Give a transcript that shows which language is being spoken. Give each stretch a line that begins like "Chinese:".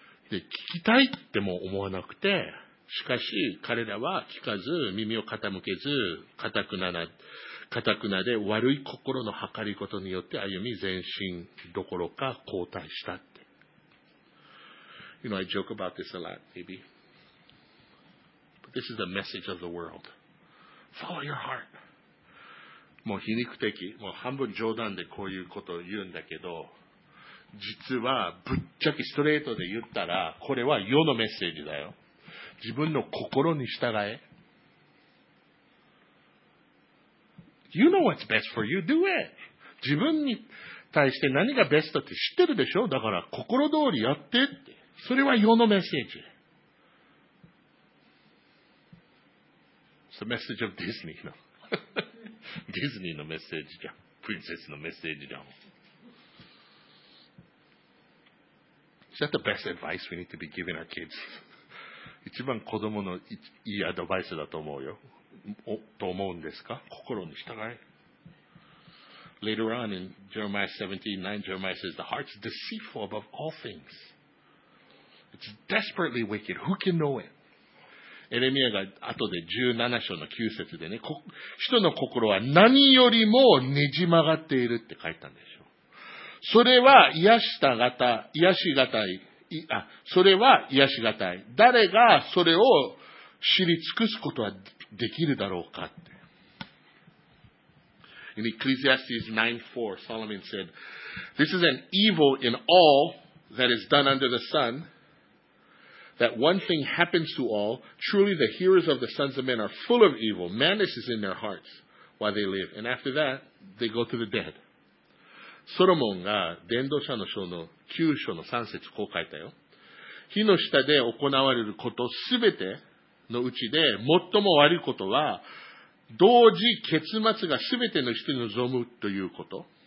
Japanese: で、聞きたいっても思わなくて、しかし彼らは聞かず、耳を傾けず、堅くなで悪い心の計りことによって歩み前進どころか後退したって。
English: You know, I joke about this a lot, maybe. But this is the message of the world. Follow your heart.
Japanese: もう皮肉的、もう半分冗談でこういうことを言うんだけど、実はぶっちゃけストレートで言ったら、これは世のメッセージだよ。自分の心に従え。
English: You know what's best for you, do it.
Japanese: 自分に対して何がベストって知ってるでしょ。だから心通りやってって。それは世のメッセージ。
English: It's the message of Disney, you know.
Japanese: ディズニーのメッセージじゃん。プリンセスのメッセージじゃん。
English: Is that the best advice we need to be giving our kids?
Japanese: 一番子供のいいアドバイスだと思うよ。と思うんですか？心に従え。
English: Later on in Jeremiah 17:9, Jeremiah says, The heart's deceitful above all things. It's desperately wicked. Who can know it?
Japanese: エレミアが後で17章の9節でね、人の心は何よりもねじ曲がっているって書いたんでしょう。それは癒したがた、癒しがたい、それは癒しがたい。誰がそれを知り尽くすことはできるだろうかって。
English: In Ecclesiastes 9:4, Solomon said, This is an evil in all that is done under the sun, that one thing happens to all. Truly the hearers of the sons of men are full of evil. Madness is in their hearts while they live. And after that, they go to the dead.
Japanese: ソロモンが伝道者の書の9章の3節こう書いたよ。火の下で行われることすべてのうちで最も悪いことは同時結末がすべての人に臨むということ。